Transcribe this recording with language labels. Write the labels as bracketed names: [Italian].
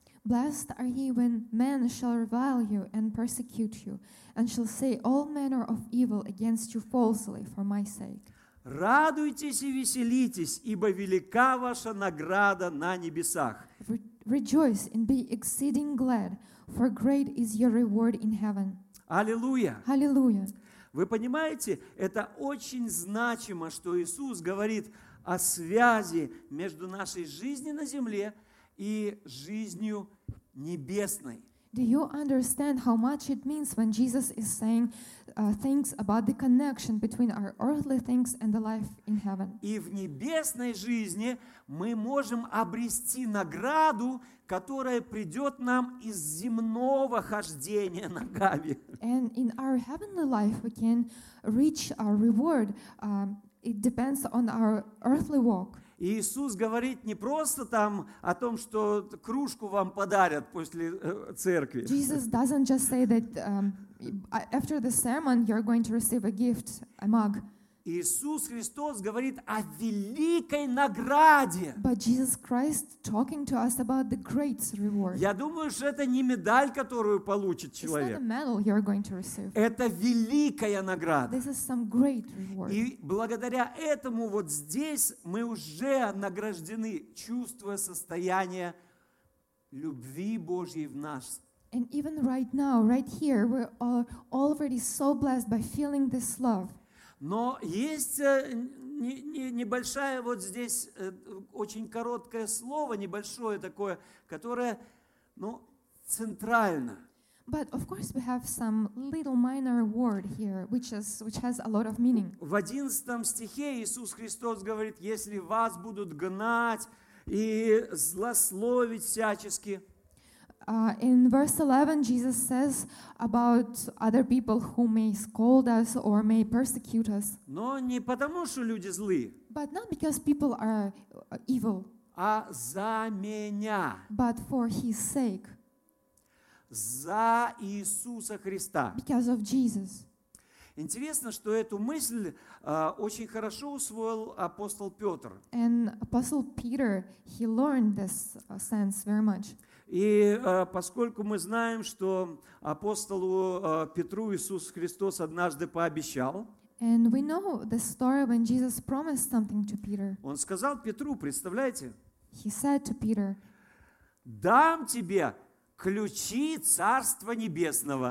[English] Blessed are ye when men shall revile you and persecute you and shall say all manner of evil against you falsely for my sake. [Russian] Радуйтесь и веселитесь, ибо велика ваша награда на небесах. [English] Rejoice and be exceeding glad, for great is your reward in heaven. [Russian] Аллилуйя! Аллилуйя! Вы понимаете, это очень значимо, что Иисус говорит о связи между нашей жизнью на земле и жизнью небесной. [English] Do you understand how much it means when Jesus is saying things about the connection between our earthly things and the life in heaven? [Russian] И в небесной жизни мы можем обрести награду, которая придет нам из земного хождения ногами. [English] And in our heavenly life we can reach our reward. It depends on our earthly walk. [Russian] И Иисус говорит не просто там о том, что кружку вам подарят после церкви. [English] Jesus doesn't just say that after the sermon you're going to receive a gift, a mug. [Russian] Иисус Христос говорит о великой награде. [English] But Jesus Christ talking to us about the great reward. [Russian] Я думаю, что это не медаль, которую получит человек. [English] It's not a medal you're going to receive. [Russian] Это великая награда. [English] This is some great reward. [Russian] И благодаря этому вот здесь мы уже награждены, чувствуя состояние любви Божьей в нас. [English] And even right now, right here, we are already so blessed by feeling this love. [Russian] Но есть небольшая вот здесь очень короткое слово, небольшое такое, которое, ну, центрально. [English] But of course we have some little minor word here, which has a lot of meaning. [Russian] В 11 стихе Иисус Христос говорит: если вас будут гнать и злословить всячески. [English] In verse 11, Jesus says about other people who may scold us or may persecute us. [Russian] Но не потому, что люди злые. [English] But not because people are evil. [Russian] А за меня. [English] But for His sake. [Russian] За Иисуса Христа. [English] Because of Jesus. [Russian] Интересно, что эту мысль очень хорошо усвоил апостол Петр. [English] And Apostle Peter, he learned this sense very much. [Russian] И поскольку мы знаем, что апостолу Петру Иисус Христос однажды пообещал, [English] and we know the story when Jesus promised something to Peter. [Russian] Он сказал Петру, представляете? [English] He said to Peter, [Russian] «Дам тебе ключи Царства Небесного».